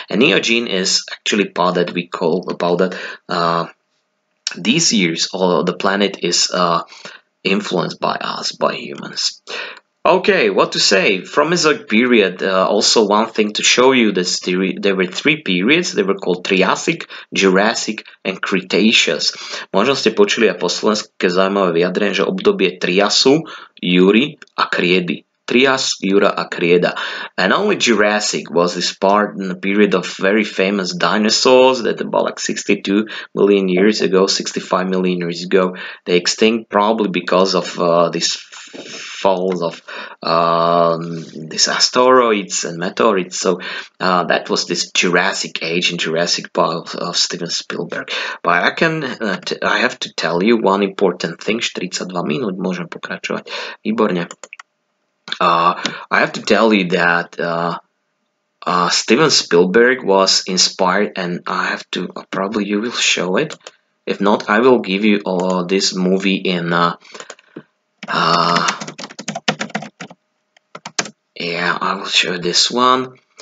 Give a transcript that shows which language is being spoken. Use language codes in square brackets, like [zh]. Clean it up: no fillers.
[en] And Neogene is actually part that we call about that these years, or the planet is influenced by us, by humans. Okay, what to say? From Mesozoic period, also one thing to show you, this there were three periods. They were called Triassic, Jurassic, and Cretaceous. [sk] Možno ste počuli aj po slovenské zaujímavé vyjadrenie, že obdobie Triasu, Jury a Kriedy. Trias, Jura, a Krieda. [en] And only Jurassic was this part in the period of very famous dinosaurs that about like 62 million years ago, 65 million years ago, they extinct, probably because of this falls of these asteroids and meteorites. So that was this Jurassic age and Jurassic part of Steven Spielberg. But I can I have to tell you one important thing. [sk] 42 minut, môžem pokračovať. Výborne. [en] I have to tell you that Steven Spielberg was inspired, and I have to probably, you will show it. If not, I will give you all this movie in yeah, I will show this one.